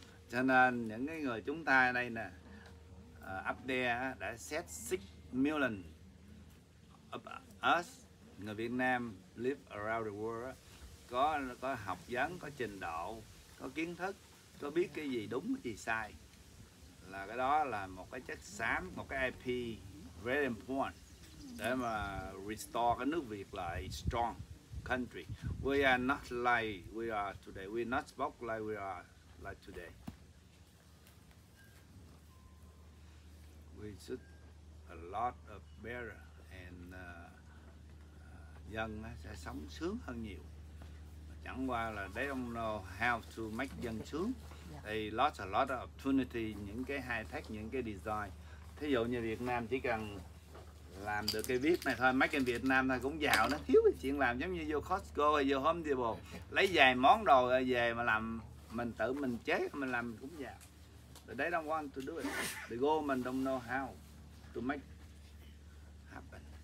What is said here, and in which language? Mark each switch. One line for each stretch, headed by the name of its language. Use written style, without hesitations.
Vietnamese: Cho nên những cái người chúng ta đây nè up there đã
English: set 6 million of us
Vietnamese: người Việt Nam
English: live around the world
Vietnamese: có học vấn, có trình độ, có kiến thức, có biết cái gì đúng cái gì sai là cái đó là một cái chất xám, một cái IP
English: very important
Vietnamese: để mà restore cái nước Việt lại
English: strong country. We are not like we are today. We not spoke like we are like today. We should a lot of better
Vietnamese: and dân sẽ sống sướng hơn nhiều. Chẳng qua là
English: they don't know how to make
Vietnamese: dân sướng.
English: They lost a lot of opportunity, những cái high tech, những cái design.
Vietnamese: Thí dụ như Việt Nam chỉ cần làm được cái viết này thôi,
English: make in
Vietnamese: Việt Nam thôi cũng giàu, nó thiếu cái chuyện làm giống như vô Costco hay vô Home Depot. Lấy vài món đồ về mà làm, mình tự mình chế, mình làm cũng giàu.
English: But they don't want to do it. The government don't know how to make happen.